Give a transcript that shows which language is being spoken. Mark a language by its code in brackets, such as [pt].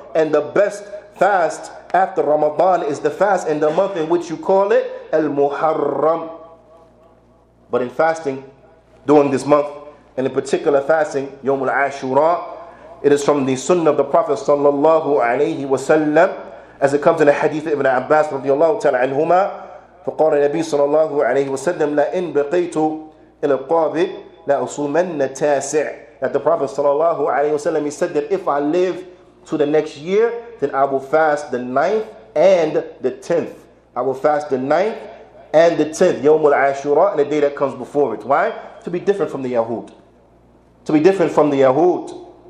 [en] And the best fast after Ramadan is the fast in the month in which you call it al-Muharram. But in fasting during this month, and in particular fasting Yawm al-Ashura, it is from the sunnah of the Prophet sallallahu alayhi wa sallam, as it comes in a hadith of Ibn Abbas radiyallahu ta'ala anhuma. [ar] فقال النبي صلى الله عليه وسلم لئن بقيت إلى القابل لأصومن تاسع. [en] That the Prophet sallallahu alayhi wa sallam, he said that if I live to the next year, then I will fast the 9th and the 10th. I will fast the 9th and the 10th, Yawm al-Ashura, and the day that comes before it. Why? To be different from the Yahud. To be different from the Yahud.